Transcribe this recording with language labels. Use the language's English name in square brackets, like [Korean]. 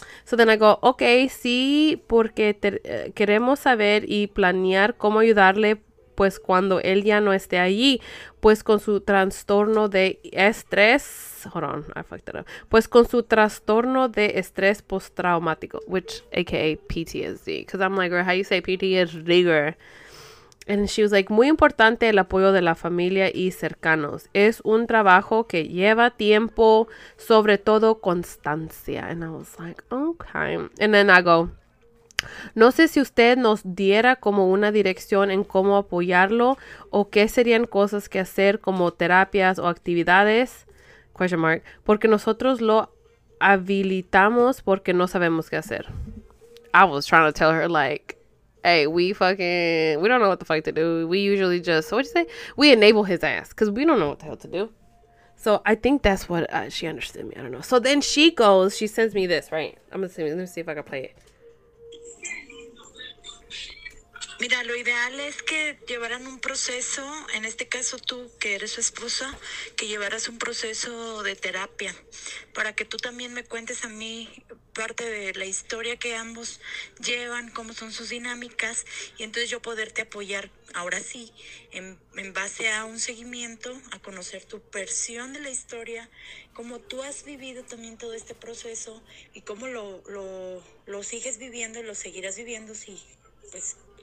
[English] So then I go, okay, [Spanish] sí, porque queremos saber y planear cómo ayudarle, pues, cuando él ya no esté allí, pues, con su trastorno de estrés. [English] Hold on, I fucked it up. [Spanish] Pues, con su trastorno de estrés postraumático, [English] which, aka [Spanish] PTSD. [English] Because I'm like, how you say PTSD, girl? And she was like, [Spanish] muy importante el apoyo de la familia y cercanos. Es un trabajo que lleva tiempo, sobre todo constancia. [English] And I was like, okay. And then I go, [Spanish] no sé si usted nos diera como una dirección en cómo apoyarlo o qué serían cosas que hacer como terapias o actividades, [English] question mark, [Spanish] porque nosotros lo habilitamos porque no sabemos qué hacer. [English] I was trying to tell her, like, hey, we don't know what the fuck to do. We usually just, so what'd you say? We enable his ass, because we don't know what the hell to do. So I think that's what she understood me. I don't know. So then she goes, she sends me this, right? I'm going to see, let me see if I can play it. [Spanish] Mira, lo ideal es que llevaran un proceso, en este caso tú, que eres su esposa, que llevaras un proceso de terapia, para que tú también me cuentes a mí parte de la historia que ambos llevan, cómo son sus dinámicas, y entonces yo poderte apoyar, ahora sí, en base a un seguimiento, a conocer tu versión de la historia, cómo tú has vivido también todo este proceso, y cómo lo sigues viviendo y lo seguirás viviendo, sí, pues...